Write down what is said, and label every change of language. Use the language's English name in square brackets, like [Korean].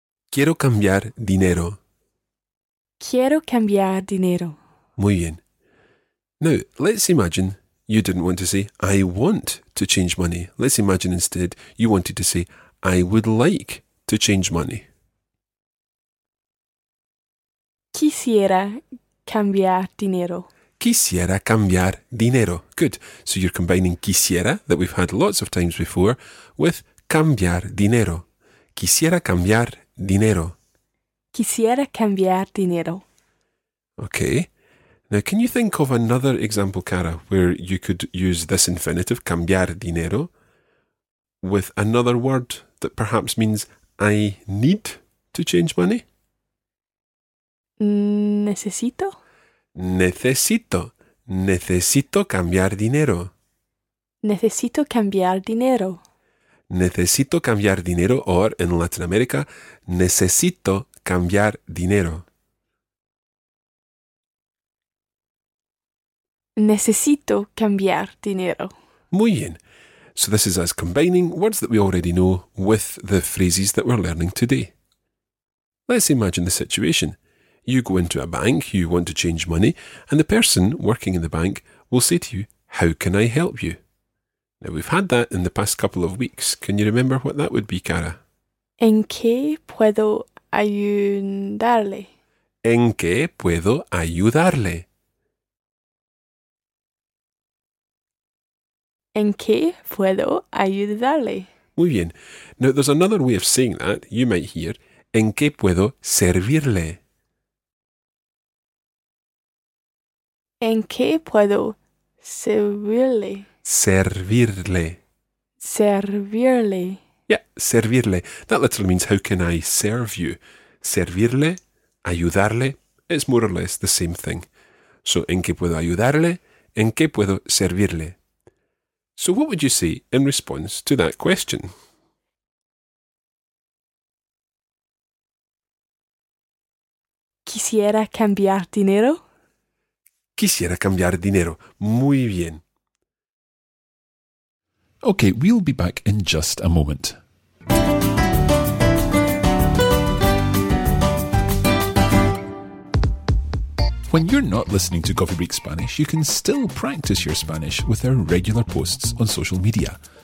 [Spanish] Quiero cambiar dinero. Quiero cambiar dinero. Muy bien. [English] Now, let's imagine you didn't want to say, I want to change money. Let's imagine instead you wanted to say, I would like to change money. [Spanish] Quisiera cambiar dinero. Quisiera cambiar dinero. [English] Good. So you're combining quisiera, that we've had lots of times before, with cambiar dinero. [Spanish] Quisiera cambiar dinero. Quisiera cambiar dinero. [English] Okay. Now, can you think of another example, Cara, where you could use this infinitive, cambiar dinero, with another word that perhaps means I need to change money? [Spanish] Necesito. Necesito. Necesito cambiar dinero. Necesito cambiar dinero. Necesito cambiar dinero, [English] or in Latin America, [Spanish] necesito cambiar dinero. Necesito cambiar dinero. Muy bien. [English] So this is us combining words that we already know with the phrases that we're learning today. Let's imagine the situation. You go into a bank, you want to change money, and the person working in the bank will say to you, how can I help you? Now, we've had that in the past couple of weeks. Can you remember what that would be, Cara? [Spanish] ¿En qué puedo ayudarle? ¿En qué puedo ayudarle? ¿En qué puedo ayudarle? Muy bien. [English] Now, there's another way of saying that. You might hear, [Spanish] ¿en qué puedo servirle? ¿En qué puedo servirle? Servirle. Servirle. Yeah, servirle. [English] That literally means, how can I serve you? Servirle, ayudarle, it's more or less the same thing. [Spanish] So, ¿en qué puedo ayudarle? ¿En qué puedo servirle? [English] So, what would you say in response to that question? [Spanish] Quisiera cambiar dinero. Quisiera cambiar dinero. Muy bien. [English] Okay, we'll be back in just a moment. When you're not listening to Coffee Break Spanish, you can still practice your Spanish with our regular posts on social media.